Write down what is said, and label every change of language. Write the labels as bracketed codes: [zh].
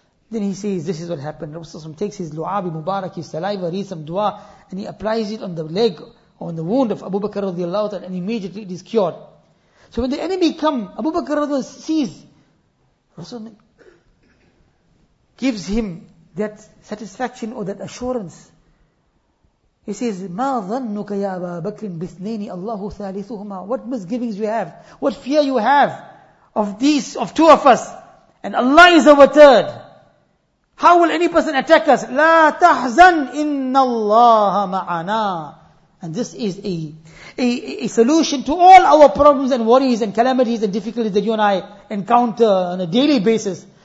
[en] Then he says, this is what happened. Rasulullah sallallahu alaihi wasallam takes his lu'abi mubarak, his saliva, reads some dua, and he applies it on the leg on the wound of Abu Bakr radiallahu ta'ala, and immediately it is cured. So when the enemy come, Abu Bakr sees Rasulullah, gives him that satisfaction or that assurance. He says, [ar] مَا ظَنُّكَ يَا أَبَا بَكْرٍ بِثْنَيْنِ اللَّهُ ثَالِثُهُمَا. [en] What misgivings you have, what fear you have of these, of two of us, and Allah is our third. How will any person attack us? [ar] لَا تَحْزَنْ إِنَّ اللَّهَ مَعَنَا. [en] And this is a solution to all our problems and worries and calamities and difficulties that you and I encounter on a daily basis.